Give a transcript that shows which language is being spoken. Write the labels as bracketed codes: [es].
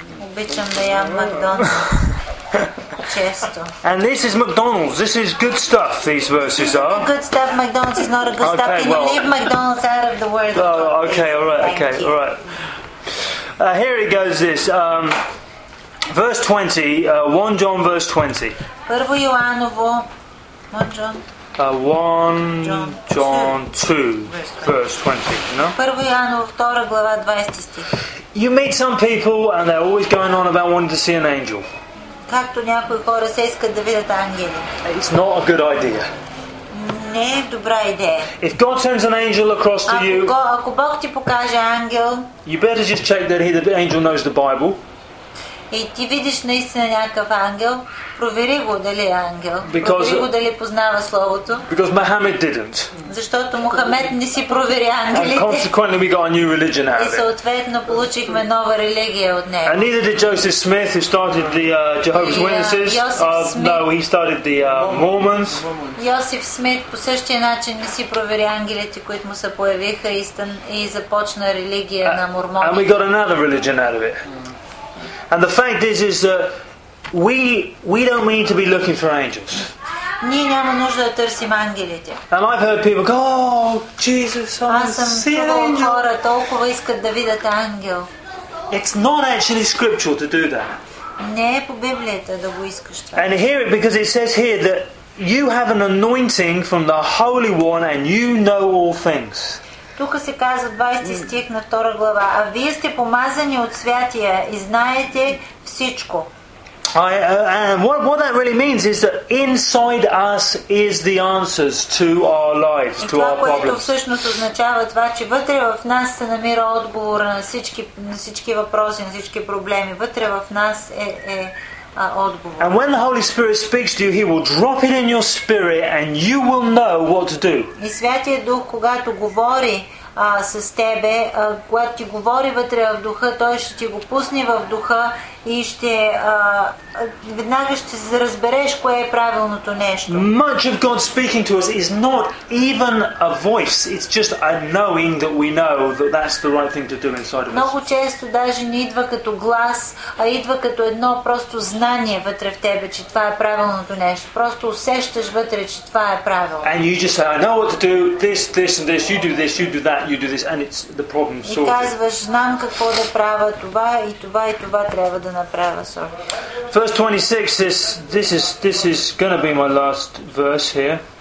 [bg] Обичам да ям Макдоналдс. [en] And this is McDonald's. This is good stuff, these verses are. Good stuff. McDonald's is not a good stuff. Can you leave McDonald's out of the word? Okay, all right. Here it goes, this. Verse 20, 1 John verse 20. 1 John. 1 John 2, verse 20. No? You meet some people and they're always going on about wanting to see an angel. It's not a good idea. [bg] Не е добра идея. [en] If God sends an angel across to you, [bg] ако Бог ти покаже ангел, [en] you better just check that the angel knows the Bible. [bg] И ти видиш наистина някакъв ангел, провери го дали е ангел, провери го дали познава словото. [en] Because Muhammad didn't. [bg] Защото Мохамед не си провери ангелите. [en] And consequently we got a new religion out of it. [bg] И съответно получихме нова религия от него. [en] And neither did Joseph Smith, who started the Jehovah's Witnesses. He started the Mormons. [bg] Йосиф Смит по същия начин не си провери ангелите, които му се появиха, и започна религия на мормоните. [en] And we got another religion out of it. And the fact is that we don't need to be looking for angels. [bg] Ние няма нужда да търсим ангелите. [en] And I've heard people go, "Oh, Jesus, [bg] хора толкова искат да видят ангел." [en] It's not actually scriptural to do that. [bg] Не е по Библията да го искаш това. [en] And hear it, because it says here that you have an anointing from the Holy One and you know all things. [bg] Тук се казва 20 стих на 2 глава. А вие сте помазани от Святия и знаете всичко. [en] What that really means is that inside us is the answers to our lives, to our problems. [bg] Което всъщност означава това, че вътре в нас се намира отговор на всички, въпроси, на всички проблеми. Вътре в нас е отговор. [en] And when the Holy Spirit speaks to you, He will drop it in your spirit and you will know what to do. [bg] И Святия Дух, когато говори с тебе, когато ти говори вътре в духа, той ще ти го пусне в духа и ще веднага ще се разбереш кое е правилното нещо. [en] Much of God speaking to us is not even a voice. It's just a knowing that we know that that's the right thing to do inside of us. [bg] Много често даже не идва като глас, а идва като едно просто знание вътре в тебе, че това е правилното нещо. Просто усещаш вътре, че това е правилно. [en] And you just say, I know what to do, this and this, you do this, you do that, you do this, and it's the problem solved. [bg] И казваш, знам какво да правя, това и това и това трябва да направя. [en] Verse 26 says, this is going to be my last verse here.